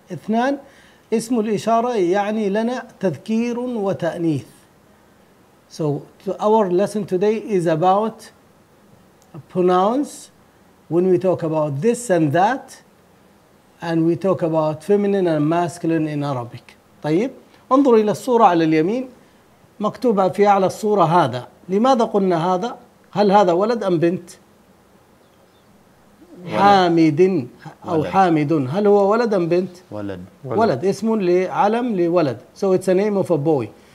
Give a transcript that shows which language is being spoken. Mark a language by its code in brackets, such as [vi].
[ar] اثنان، اسم الإشارة يعني لنا تذكير وتأنيث. [en] So our lesson today is about pronouns. When we talk about this and that, and we talk about feminine and masculine in Arabic. [ar] طيب انظر إلى الصورة على اليمين، مكتوبة في أعلى الصورة هذا. لماذا قلنا هذا؟ هل هذا ولد أم بنت؟ حامد أو ولد. حامد، هل هو ولد أم بنت؟ ولد. ولد اسم لعلم لولد. [en] So it's a name of a boy.